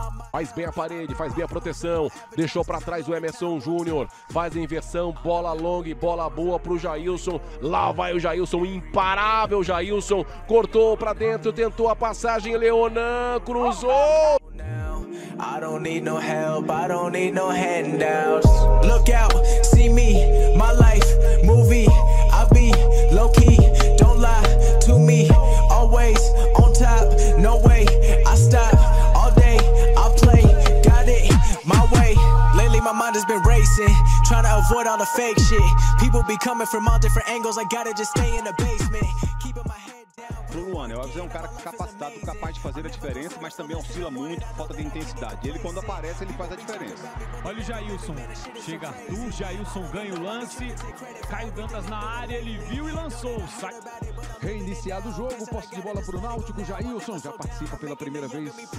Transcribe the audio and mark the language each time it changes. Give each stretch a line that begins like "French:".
Portuguese: Faz bem a parede, faz bem a proteção. Deixou pra trás o Emerson Júnior. Faz a inversão, bola longa e bola boa pro Jailson. Lá vai o Jailson, imparável Jailson. Cortou pra dentro, tentou a passagem. Leonan cruzou.
English: I don't need no help, I don't need no handouts. Look out, see me, my life, movie. I be low key, don't lie to me. Always on top, no way I stop. All day, I play, got it my way. Lately my mind has been racing, trying to avoid all the fake shit. People be coming from all different angles, I gotta just stay in the basement.
Portuguese: Luan, o Alves é um cara capacitado, capaz de fazer a diferença, mas também oscila muito, falta de intensidade. Ele, quando aparece, ele faz a diferença. Olha o Jailson, chega Arthur, Jailson ganha o lance, Caio Dantas na área, ele viu e lançou. Sai. Reiniciado o jogo, posse de bola para o Náutico, Jailson já participa pela primeira vez.